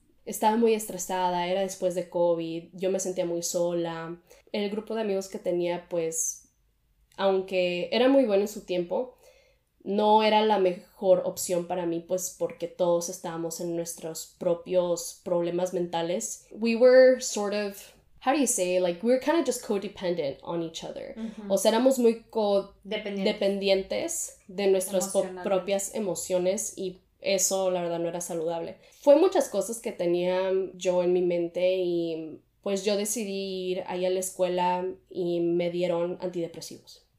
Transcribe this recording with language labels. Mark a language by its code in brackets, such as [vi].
[es] Estaba muy estresada, era después de COVID, yo me sentía muy sola. El grupo de amigos que tenía, pues, aunque era muy bueno en su tiempo, no era la mejor opción para mí, pues, porque todos estábamos en nuestros propios problemas mentales. [en] We were sort of, how do you say, like, we were kind of just codependent on each other. Uh-huh. [es] O sea, éramos muy dependientes de nuestras propias emociones, y eso, la verdad, no era saludable. Fue muchas cosas que tenía yo en mi mente, y pues yo decidí ir ahí a la escuela y me dieron antidepresivos.